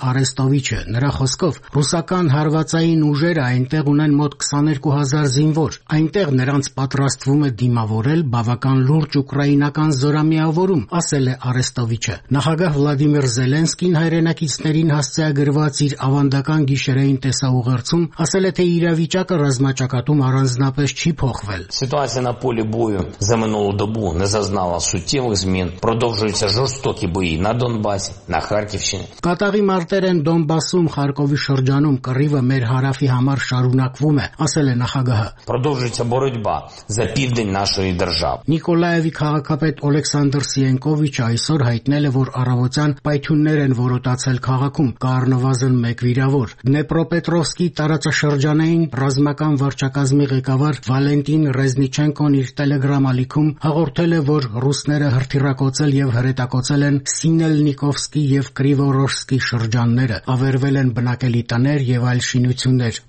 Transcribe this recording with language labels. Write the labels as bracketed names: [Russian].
[Armenian] Արեստովիչը։ Նրա խոսքով ռուսական հարվածային ուժերը այնտեղ ունեն մոտ 22,000 զինվոր, այնտեղ նրանց պատրաստվում է դիմավորել բավական լուրջ ուկրաինական զորամիավորում, ասել է Արեստովիչը։ Նախագահ Վլադիմիր Զելենսկին հայրենակիցներին հասցեագրված իր ավանդական գիշերային տեսաուղերձում ասել է, թե իրավիճակը ռազմաճակատում առանձնապես չի փոխվել։ [Ukrainian] Ситуація на полі бою за минулу добу не зазнала суттєвих змін. Продовжуються жорстокі бої на Донбасі, на Харківщині. [Armenian] Կատաղի մարտեր են Դոնբասում, Խարկովի շրջանում, կռիվը մեր հարավի համար շարունակվում է, ասել է նախագահը։ [Ukrainian] Продовжується боротьба за південь нашої держави. [Armenian] Նիկոլայ Ավի քաղաքապետ Օլեքսանդր Սիենկովիչը այսօր հայտնել է, որ առավոտյան պայթյուններ են որոտացել քաղաքում, կառնվազն 1 վիրավոր։ Դնեպրոպետրովսկի տարածաշրջանային ռազմական վարչակազմի ղեկավար Վալենտին Ռեզնիչենկոն իր Telegram-ալիքում հաղորդել է, որ ռուսները հրթիռակոծել և հրետակոծել են Սինելնիկովսկի և Կրիվորոժսկի շրջանները, ավերվել են բնակելի տներ և այլ շինություններ,